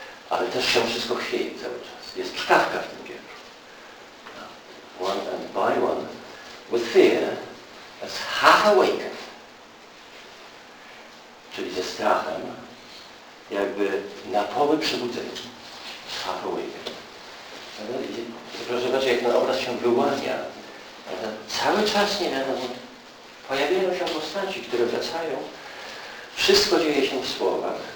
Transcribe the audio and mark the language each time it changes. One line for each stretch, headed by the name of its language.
Polish: Ale też się wszystko chwieje cały czas. Jest czkawka w tym wierszu.
English: One and by one, with fear, as half awakened.
Polish: Czyli ze strachem, jakby na poły przebudzenia.
English: Half awakened.
Polish: Proszę zobaczyć, jak ten obraz się wyłania. Cały czas nie wiadomo. Pojawiają się postaci, które wracają. Wszystko dzieje się w słowach.